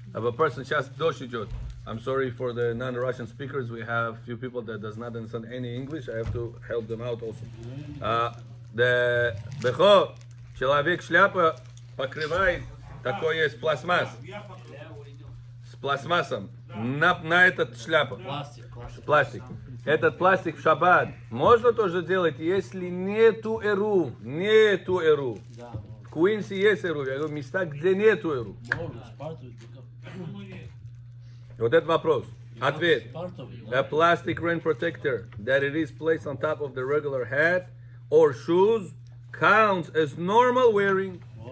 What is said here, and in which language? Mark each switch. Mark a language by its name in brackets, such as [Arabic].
[English] Of a person, I'm sorry for the non-Russian speakers. We have a few people that does not understand any English. I have to help them out also. [Russian] Да, бехо, человек шляпа покрывает такой есть пластмасс с пластмассом на этот шляпу. Пластик. Этот пластик в шаббат можно тоже делать, если нету эру. Нету эру. В Куинсе есть эру. Я говорю, места, где нету эру. Можно, спартовать. Вот этот вопрос. Ответ. [English] A plastic rain protector that it is placed on top of the regular hat or shoes counts as normal wearing.